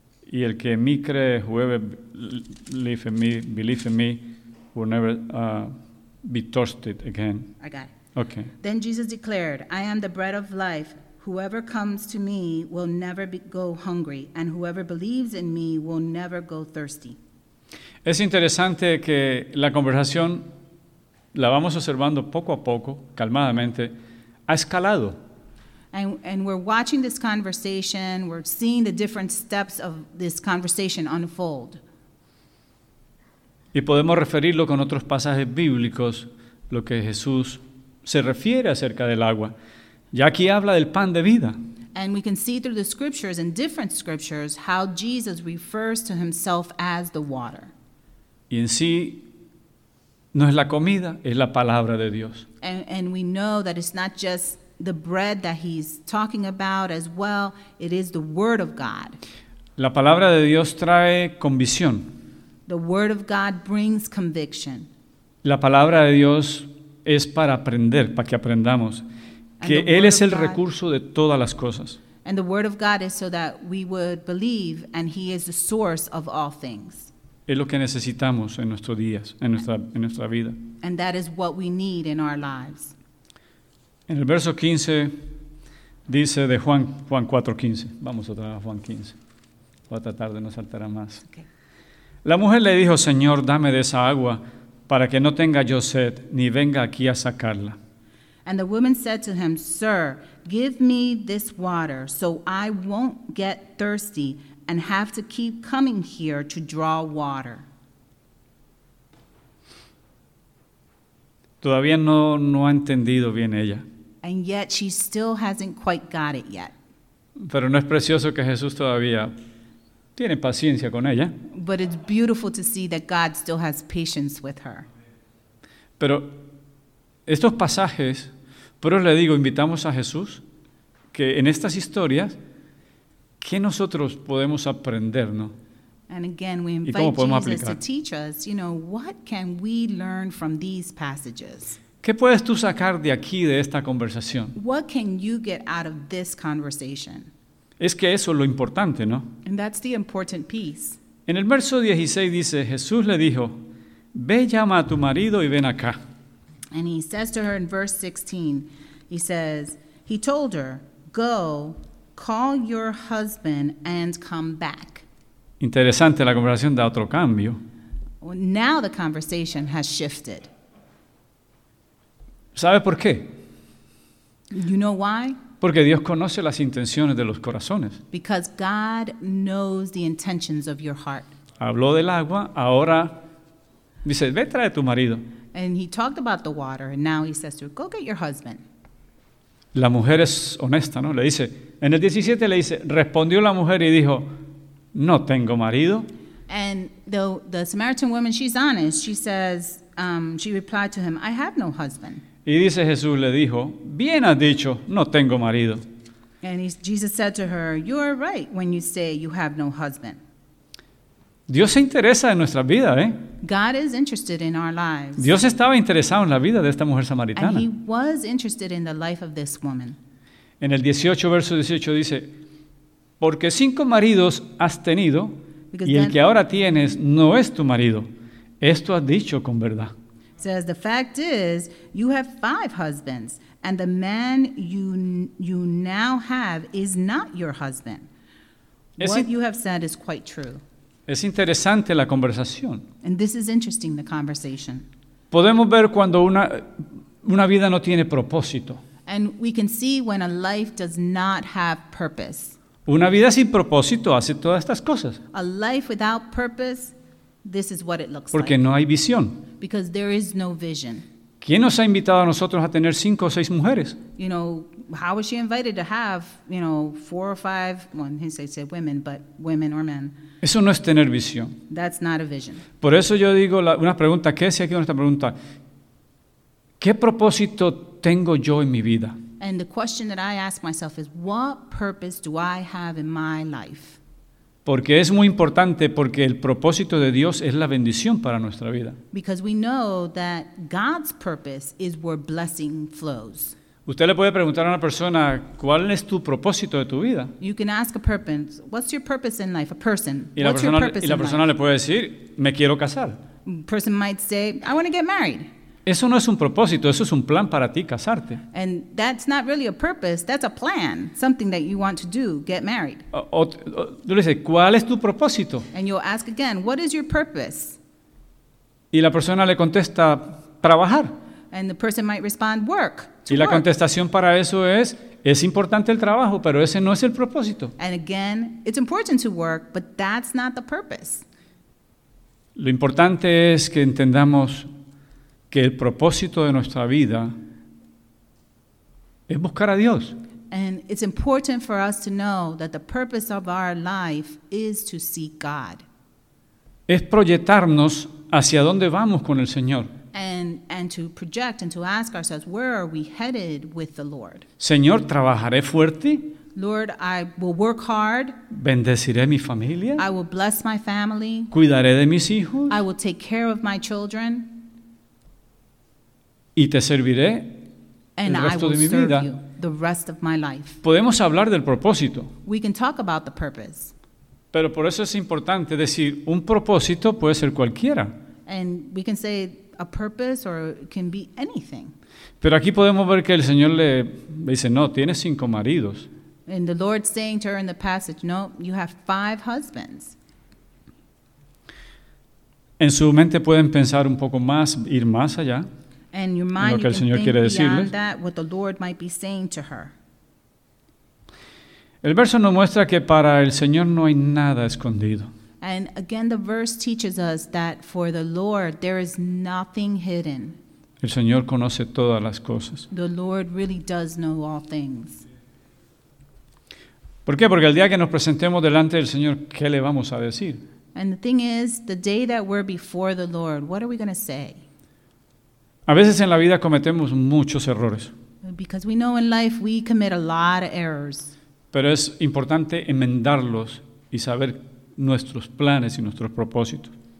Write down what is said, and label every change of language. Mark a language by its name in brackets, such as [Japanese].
[Spanish] Y el que en mí cree, [English] whoever live in me, believe in me, will never be thirsted again. I got it. Okay. Then Jesus declared, I am the bread of life. Whoever comes to me will never go hungry, and whoever believes in me will never go thirsty. [Spanish] Es interesante que la conversación la vamos observando poco a poco, calmadamente, ha escalado. [English] And we're watching this conversation, we're seeing the different steps of this conversation unfold. [Spanish] Y podemos referirlo con otros pasajes bíblicos, lo que Jesús se refiere acerca del agua. Ya aquí habla del pan de vida. [English] And we can see through the scriptures and different scriptures how Jesus refers to himself as the water. [Spanish] Y en sí, no es la comida, es la palabra de Dios. [English] And we know that it's not just the bread that he's talking about as well, it is the word of God. [Spanish] La palabra de Dios trae convicción. [English] The word of God brings conviction. [Spanish] La palabra de Dios es para aprender, para que aprendamos que Él es el recurso de todas las cosas. [English] And the word of God is so that we would believe and he is the source of all things. [Spanish] Es lo que necesitamos en nuestros días, en nuestra vida. [English] And that is what we need in our lives. [Spanish] En el verso 15 dice de Juan 4:15. Vamos otra vez a Juan 15. Voy a tratar de no saltar a más. Okay. La mujer le dijo, Señor, dame de esa agua para que no tenga yo sed ni venga aquí a sacarla. [English] And the woman said to him, Sir, give me this water so I won't get thirsty and have to keep coming here to draw water. [Spanish] Todavía no ha entendido bien ella. [English] And yet she still hasn't quite got it yet. [Spanish] Pero no es precioso que Jesús todavía tiene paciencia con ella. [English] But it's beautiful to see that God still has patience with her. [Spanish] Pero estos pasajes... Pero le digo, invitamos a Jesús que en estas historias, ¿qué nosotros podemos aprender, no? [English] And again, we invite Jesus [Spanish] aplicar? [English] To teach us, you know, what can we learn from these passages? [Spanish] ¿Qué puedes tú sacar de aquí, de esta conversación? [English] What can you get out of this conversation? [Spanish] Es que eso es lo importante, ¿no? [English] And that's the important piece. [Spanish] En el verso 16 dice, Jesús le dijo, ve, llama a tu marido y ven acá. [English] And he says to her in verse 16, he says, he told her, go, call your husband and come back. [Spanish] Interesante, la conversación da otro cambio. [English] Now the conversation has shifted. [Spanish] ¿Sabe por qué? [English] You know why? [Spanish] Porque Dios conoce las intenciones de los corazones. [English] Because God knows the intentions of your heart. [Spanish] Habló del agua, ahora dice, ve, trae tu marido. [English] And he talked about the water, and now he says to her, go get your husband. [Spanish] La mujer es honesta, ¿no? Le dice, en el 17 le dice, respondió la mujer y dijo, no tengo marido. [English] And the Samaritan woman, she's honest. She says, she replied to him, I have no husband. [Spanish] Y dice Jesús, le dijo, bien has dicho, no tengo marido. [English] And Jesus said to her, you are right when you say you have no husband. [Spanish] Dios se interesa en nuestra vida, ¿eh? [English] God is interested in our lives. [Spanish] Dios estaba interesado en la vida de esta mujer samaritana. [English] And he was interested in the life of this woman. [Spanish] En el 18, verso 18 dice, porque cinco maridos has tenido, y el que ahora tienes no es tu marido. Esto has dicho con verdad. [English] Says, the fact is, you have five husbands, and the man you now have is not your husband. What you have said is quite true. [Spanish] Es interesante la conversación. [English] And this is interesting, the conversation. [Spanish] Podemos ver cuando una vida no tiene propósito. [English] And we can see when a life does not have purpose. [Spanish] Una vida sin propósito hace todas estas cosas. [English] A life without purpose, this is what it looks [Spanish] Porque [English] like. [Spanish] Porque no hay visión. [English] Because there is no vision. [Spanish] ¿Quién nos ha invitado a nosotros a tener cinco o seis mujeres? [English] You know, how was she invited to have, you know, four or five, well, he said women, but women or men. [Spanish] Eso no es tener visión. [English] That's not a vision. [Spanish] Por eso yo digo una pregunta, ¿qué es aquí con esta pregunta? ¿Qué propósito tengo yo en mi vida? [English] And the question that I ask myself is, what purpose do I have in my life? [Spanish] Porque es muy importante, porque el propósito de Dios es la bendición para nuestra vida. [English] Because we know that God's purpose is where blessing flows. [Spanish] Usted le puede preguntar a una persona, ¿cuál es tu propósito de tu vida? [English] You can ask a person, what's your purpose in life? A person, what's your purpose in life? [Spanish] Y la persona le puede decir, me quiero casar. [English] Person might say, I want to get married. [Spanish] Eso no es un propósito, eso es un plan para ti, casarte. [English] And that's not really a purpose, that's a plan, something that you want to do, get married. [Spanish] Tú le dices, ¿cuál es tu propósito? [English] And you'll ask again, what is your purpose? [Spanish] Y la persona le contesta, trabajar. [English] And the person might respond, work. [Spanish] Y la contestación para eso es importante el trabajo, pero ese no es el propósito. [English] And again, it's important to work, but that's not the purpose. [Spanish] Lo importante es que entendamos que el propósito de nuestra vida es buscar a Dios. [English] And it's important for us to know that the purpose of our life is to seek God. [Spanish] Es proyectarnos hacia dónde vamos con el Señor. [English] And to project and to ask ourselves, where are we headed with the Lord? [Spanish] Señor, ¿trabajaré fuerte? [English] Lord, I will work hard. [Spanish] ¿Bendeciré mi familia? [English] I will bless my family. [Spanish] ¿Cuidaré de mis hijos? [English] I will take care of my children. [Spanish] ¿Y te serviré [English] and [Spanish] el resto [English] I will [Spanish] de mi [English] serve [Spanish] vida? [English] You the rest of my life. [Spanish] Podemos hablar del propósito. [English] We can talk about the purpose. [Spanish] Pero por eso es importante decir, un propósito puede ser cualquiera. [English] And we can say a purpose or can be anything. [Spanish] Pero aquí podemos ver que el Señor le dice, no, tienes cinco maridos. [English] And the Lord's saying to her in the passage, no, you have five husbands. [Spanish] En su mente pueden pensar un poco más, ir más allá. [English] And your mind, [Spanish] en lo que [English] you [Spanish] el Señor quiere decirles. [English] That, what the Lord might be saying to her. [Spanish] El verso nos muestra que para el Señor no hay nada escondido. [English] And again, the verse teaches us that for the Lord, there is nothing hidden. [Spanish] El Señor conoce todas las cosas. [English] The Lord really does know all things. [Spanish] ¿Por qué? Porque el día que nos presentemos delante del Señor, ¿qué le vamos a decir? [English] And the thing is, the day that we're before the Lord, what are we going to say? [Spanish] A veces en la vida cometemos muchos errores. [English] Because we know in life we commit a lot of errors. [Spanish] Pero es importante enmendarlos y saber nuestros planes y nuestros propósitos.